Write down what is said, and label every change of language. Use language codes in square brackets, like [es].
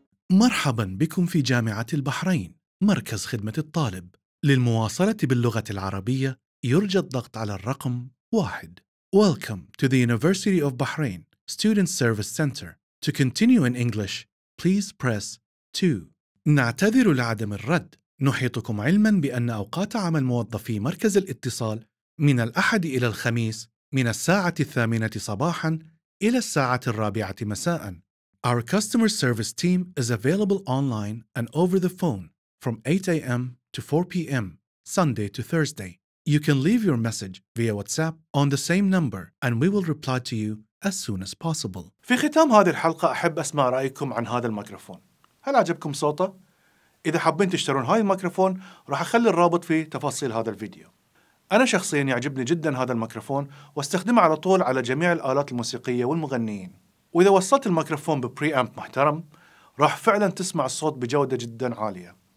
[ar] مرحبا بكم في جامعة البحرين، مركز خدمة الطالب. للمواصلة باللغة العربية يرجى الضغط على الرقم 1. [en] Welcome to the University of Bahrain Student Service Center. To continue in English, please press 2. [ar] نعتذر لعدم الرد. نحيطكم علماً بأن أوقات عمل موظفي مركز الاتصال من الأحد إلى الخميس من الساعة 8:00 صباحا إلى الساعة 4:00 مساء. [en] Our customer service team is available online and over the phone from 8 a.m. to 4 p.m. Sunday to Thursday. You can leave your message via WhatsApp on the same number and we will reply to you as soon as possible. [ar] في ختام هذه الحلقة أحب أسمع رأيكم عن هذا الميكروفون. هل عجبكم صوته؟ إذا حابين تشترون هاي الميكروفون راح أخلي الرابط في تفاصيل هذا الفيديو. أنا شخصياً يعجبني جداً هذا الميكروفون واستخدمه على طول على جميع الآلات الموسيقية والمغنيين. وإذا وصلت الميكروفون ببري أمب محترم راح فعلاً تسمع الصوت بجودة جداً عالية.